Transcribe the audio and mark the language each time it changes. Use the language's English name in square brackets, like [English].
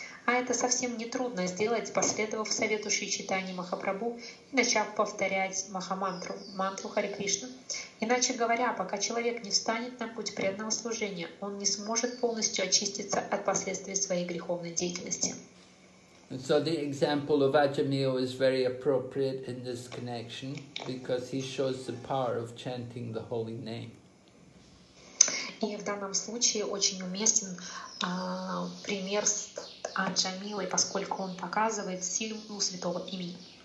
[Russian] А это совсем не трудно сделать, последовав совету Шри Чайтаньи Махапрабху и начав повторять Махамантру, мантру Хари Кришна. Иначе говоря, пока человек не встанет на путь преданного служения, он не сможет полностью очиститься от последствий своей греховной деятельности. [English] And so the example of Ajameya is very appropriate in this connection because he shows the power of chanting the holy name. [Russian] И в данном случае очень уместен пример с Аджамилой, поскольку он показывает силу святого имени.